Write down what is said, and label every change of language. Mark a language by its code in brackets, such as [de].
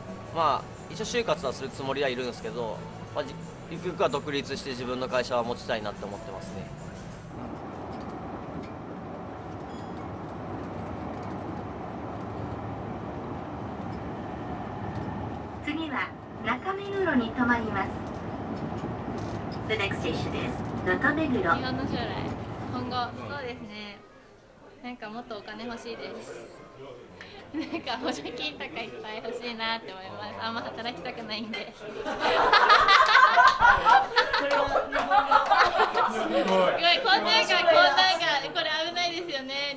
[ja] まあ一応就活はするつもりはいるんですけど、まあ、ゆくゆくは独立して自分の会社は持ちたいなって思ってますね。次は中目黒に停まります。 [en] The next station is 中目黒。 [ja] 日本の将来、今後、そうですね、なんかもっとお金欲しいです。なんか補助金とかいっぱい欲しいなって思います。あんま働きたくないんで。すごい、こんなんがこれ危ないですよね。